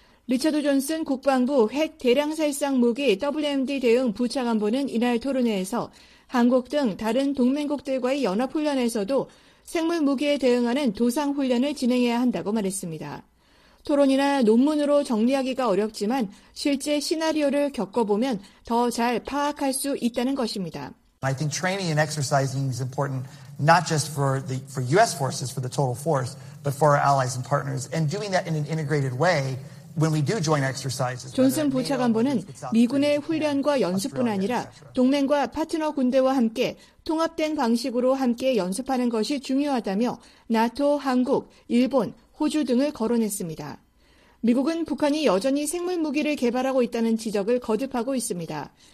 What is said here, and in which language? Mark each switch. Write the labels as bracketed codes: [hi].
[ko] 리처드 존슨 국방부 핵 대량살상무기 WMD 대응 부차관보는 이날 토론회에서 한국 등 다른 동맹국들과의 연합훈련에서도 생물무기에 대응하는 도상훈련을 진행해야 한다고 말했습니다. 토론이나 논문으로 정리하기가 어렵지만 실제 시나리오를 겪어보면 더 잘 파악할 수 있다는 것입니다. [en] I think training and exercising is important not just for US forces for the total force but for our allies and partners and doing that in an integrated way when we do joint exercises. [ko] 존슨 부차관보는 미군의 훈련과 연습뿐 아니라 동맹과 파트너 군대와 함께 통합된 방식으로 함께 연습하는 것이 중요하다며 나토, 한국, 일본 호주 등을 거론했습니다. 미국은 북한이 여전히 생물무기를 개발하고 있다는 지적을 거듭하고 있습니다.